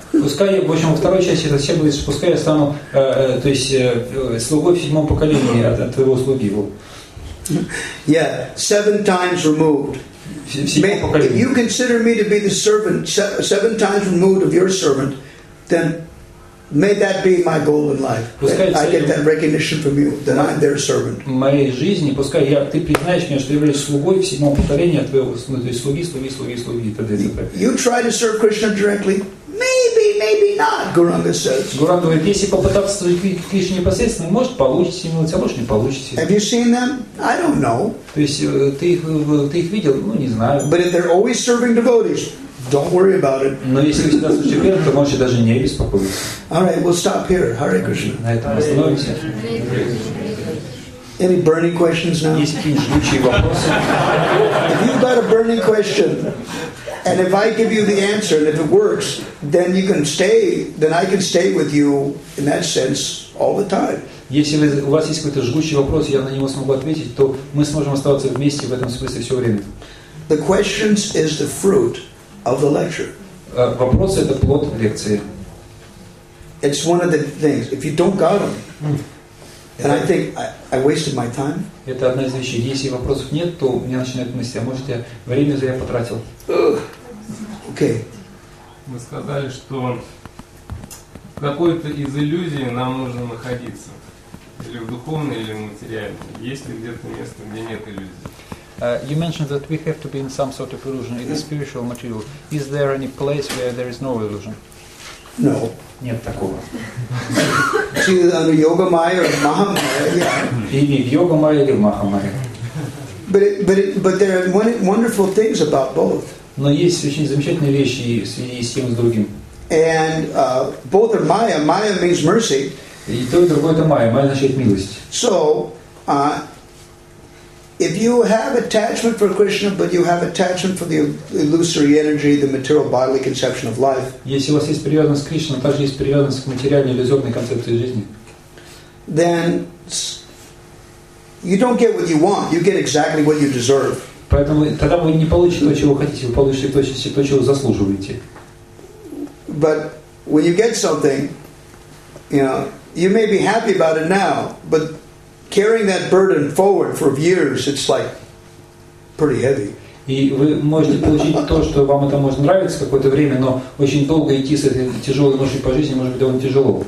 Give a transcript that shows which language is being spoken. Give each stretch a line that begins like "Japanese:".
Russian: Пускай, в общем, во второй части это все будет, пускай я стану то есть слугой в седьмом поколении от твоего слуги.
English: Yeah, seven times removed. If you consider me to be the servant, seven times removed of your servant, then may that be my goal in life. I get that recognition from you that I'm their servant.
Russian: В моей жизни, пускай я, ты признаешь меня, что я являюсь слугой в седьмом повторении от твоего, ну, то есть слуги, и т.д.
English: You try to serve Krishna directly? Maybe, maybe not, Gauranga says.
Russian: Гуранга говорит, если попытаться служить Кришне непосредственно, может получится иметь, а может не получится.
English: Have you seen them? I don't know.
Russian: То есть ты их видел? Ну, не знаю.
English: But if they're always serving devotees, don't worry about it.
Russian: Но если всегда служить верно, то можешь даже не беспокоиться.
English: All right, we'll stop here. Hare Krishna.
Russian: На этом остановимся.
English: Any burning questions now?
Russian: Есть какие-нибудь жгучие вопросы?
English: If you've got a burning question, and if I give you the answer, and if it works, then you can stay, then I can stay with you in that sense all the time.
Russian: Если вы, у вас есть какой-то жгучий вопрос, я на него смогу ответить, то мы сможем оставаться вместе в этом смысле все время.
English: The questions is the fruit of the lecture.
Russian: Вопросы это плод лекции.
English: It's one of the things. If you don't got them, then I think I wasted my time.
Russian: Это одна из вещей. Если вопросов нет, то у меня начинают мысли, а может я время зря потратил.
English: Okay.
Russian: Мы сказали, что в какой-то из иллюзий нам нужно находиться. Или в духовной, или в материальной. Есть ли где-то место, где нет иллюзий?
English: You mentioned that we have to be in some sort of illusion, either spiritual or material. Is there any place where there is no illusion? No.
Russian: Нет такого.
English: See, under Yoga Maya or Maha Maya, yeah.
Russian: Или в Йога Майя или в Маха Майя.
English: But there are wonderful things about both.
Russian: Но есть очень замечательные вещи и среди с тем и с другим.
English: And both are Maya. Maya means mercy.
Russian: И то и другое это Maya. Maya означает милость.
English: So, if you have attachment for Krishna, but you have attachment for the illusory energy, the material bodily conception of life.
Russian: Если у вас есть привязанность к Кришне, также есть привязанность к материальной иллюзорной концепции жизни.
English: Then you don't get what you want. You get exactly what you deserve.
Russian: Поэтому тогда вы не получите то, чего хотите, вы получите в точности то, чего заслуживаете.
English: But when you get something, you know, you may be happy about it now, but carrying that burden forward for years, it's like pretty heavy.
Russian: И вы можете получить то, что вам это может нравиться какое-то время, но очень долго идти с этой тяжелой ношей по жизни может быть довольно тяжело.